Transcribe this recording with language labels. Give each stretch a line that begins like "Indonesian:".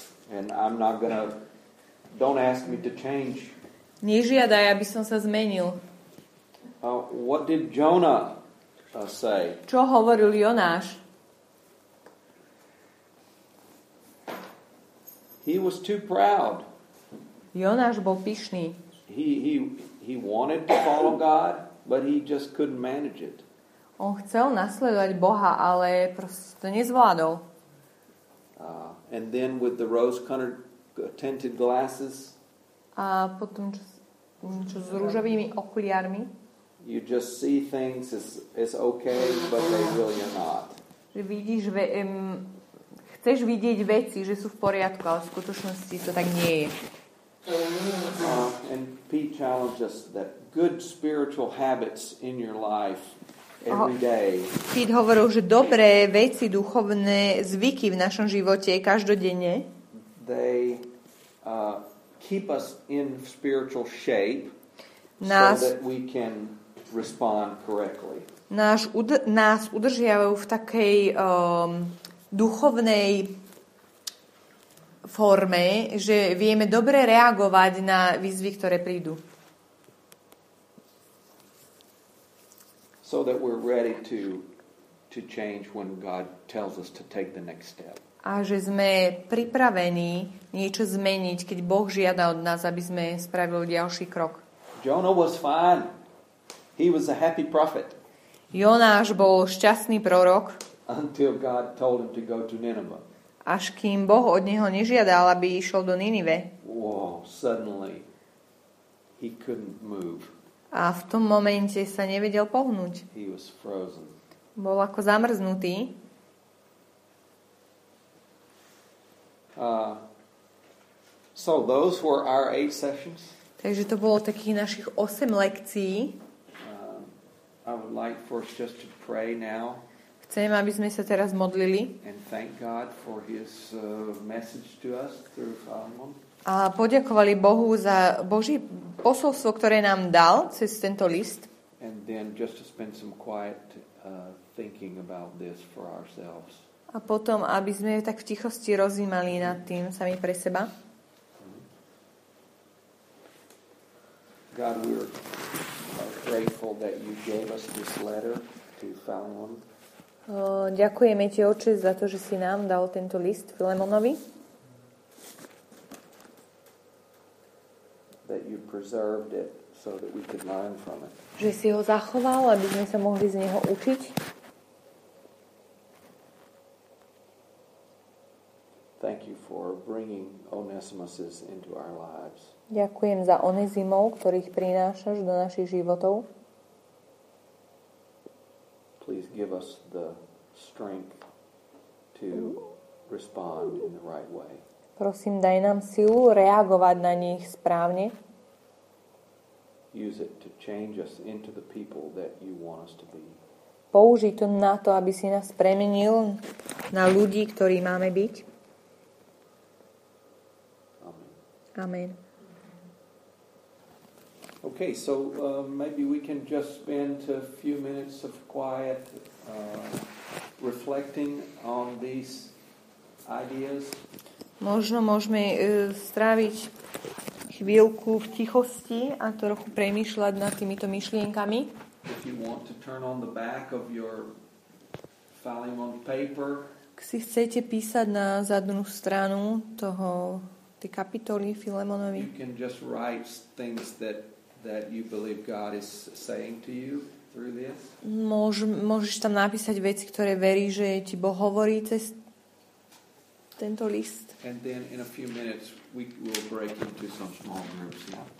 English: And I'm not gonna, don't ask me to change.
Slovak: Nežiadaj, aby som sa zmenil.
English: What did Jonah say?
Slovak: Čo hovoril Jonáš?
English: He was too proud.
Slovak: Jonáš bol pyšný.
English: He wanted to follow God, but he just couldn't manage it.
Slovak: On chcel nasledovať Boha, ale proste to nezvládol.
English: And then with the rose-colored tinted glasses.
Slovak: A potom čo s rúžovými okuliármi.
English: You just see things as okay, but they really are not.
Slovak: Že vidíš, chceš vidieť veci, že sú v poriadku, ale v skutočnosti to tak nie je.
English: And Pete challenged us that good spiritual habits in your life every day.
Slovak: Pete hovoril, že dobré veci, duchovné zvyky v našom živote každodenne.
English: They keep us in spiritual shape so that we can respond correctly.
Slovak: Nás udržiavajú v takej duchovnej forme, že vieme dobre reagovať na výzvy, ktoré prídu.
English: So that we're ready to change when God tells us to take the next step.
Slovak: A že sme pripravení niečo zmeniť, keď Boh žiada od nás, aby sme spravili ďalší krok.
English: Jonah was fine. He was a happy prophet.
Slovak: Jonáš bol šťastný prorok.
English: Until God told him to go to Nineveh.
Slovak: Až kým Boh od neho nežiadal, aby išiel do Ninive.
English: Wow, suddenly he couldn't move.
Slovak: A v tom momente sa nevedel pohnúť.
English: He was frozen.
Slovak: Bol ako zamrznutý.
English: So those were our 8 sessions.
Slovak: Takže to bolo takých našich 8 lekcií.
English: I would like for us just to pray now.
Slovak: Chcem, aby sme sa teraz modlili.
English: And thank God for his message to us through Solomon.
Slovak: A poďakovali Bohu za Boží posolstvo, ktoré nám dal cez tento list.
English: And then just to spend some quiet thinking about this for ourselves.
Slovak: A potom, aby sme tak v tichosti rozjímali nad tým sami pre seba.
English: God, we are grateful that you gave us this letter to Philemon.
Slovak: Ďakujeme ti, Otče, za to, že si nám dal tento list Filemonovi.
English: That you preserved it so that we could learn from it.
Slovak: Že si ho zachoval, aby sme sa mohli z neho učiť.
English: Thank you for bringing Onesimuses into our lives.
Slovak: Ďakujem za Onezimov, ktorých prinášaš do našich životov.
English: Please give us the strength to respond in the right way.
Slovak: Prosím, daj nám silu reagovať na nich správne.
English: Use it to change us into the people that you want us to be.
Slovak: Použij to na to, aby si nás premenil na ľudí, ktorí máme byť.
English: Amen. Okay, so maybe we can just spend a few minutes of quiet reflecting on these ideas.
Slovak: Možno môžeme stráviť chvíľku v tichosti a trochu premýšľať nad týmito myšlienkami.
English: If you want to turn on the back of your Philemon paper.
Slovak: Ak si chcete písať na zadnú stranu toho tej kapitoly Filemonovi.
English: You can just write things that you believe God is saying to you through this.
Slovak: Môžeš tam napísať veci, ktoré veríš, že ti Boh hovorí cez tento list.
English: And then in a few minutes we will break into some small groups now.